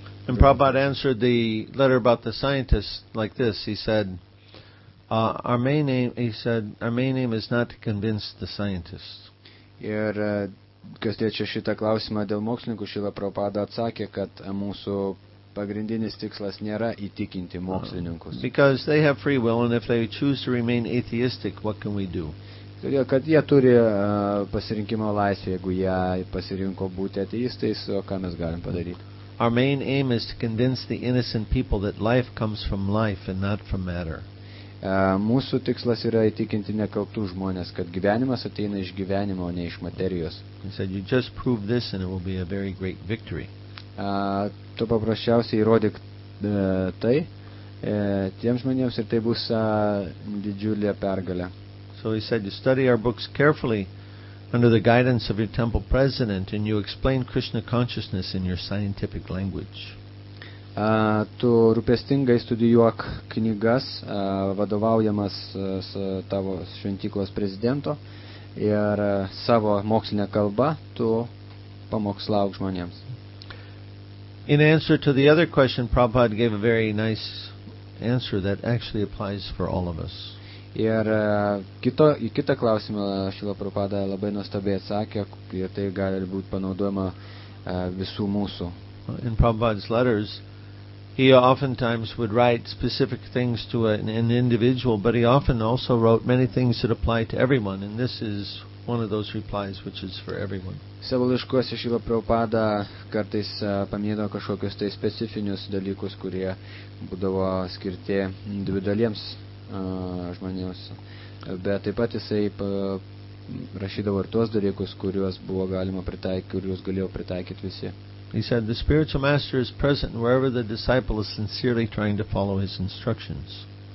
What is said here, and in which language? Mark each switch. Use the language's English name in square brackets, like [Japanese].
[English] And Prabhupada answered the letter about the scientists like this. He said, our main aim is not to convince the scientists. [Lithuanian] Ir kas liečia šitą klausimą dėl mokslininkų, Šrila Prabhupada atsakė, kad mūsų pagrindinis tikslas nėra įtikinti mokslininkus. [English] Because they have free will and if they choose to remain atheistic, what can we do? [Lithuanian] Todėl, kad jie turi pasirinkimo laisvę, jeigu jie pasirinko būti ateistais, o ką mes galim padaryti? [English] Our main aim is to convince the innocent people that life comes from life and not from matter. [Lithuanian] Mūsų tikslas yra įtikinti nekaltų žmonės, kad gyvenimas ateina iš gyvenimo, o ne iš materijos. [English] He said, you just prove this and it will be a very great victory. [Lithuanian] Tu paprasčiausiai įrodyk tai tiems žmonėms ir tai bus didžiulė pergalė. [English] So he said, you study our books carefully under the guidance of your temple president and you explain Krishna consciousness in your scientific language. [Lithuanian] Tu rūpestingai studijuok knygas vadovaujamas tavo šventyklos prezidento ir savo mokslinę kalbą tu pamokslauk žmonėms. [English] In answer to the other question, Prabhupada gave a very nice answer that actually applies for all of us. [Lithuanian] Ir į kitą klausimą Šrila Prabhupada labai nuostabiai atsakė, ir tai gali būti panaudojama visų mūsų. [English] In Prabhupada's letters, He oftentimes would write specific things to an individual, but he often also wrote many things that apply to everyone, and this is one of those replies which is for everyone. [Lithuanian] Savo laiškuose Šrila Prabhupada kartais paminėdavo kažkokius tai specifinius dalykus, kurie būdavo skirti individualiems žmonėms. Bet taip pat jisai rašydavo ir tuos dalykus, kuriuos buvo galima pritaikyti, kuriuos galėjo pritaikyti visi. [English] He said the spiritual master is present wherever the disciple is sincerely trying to follow his instructions.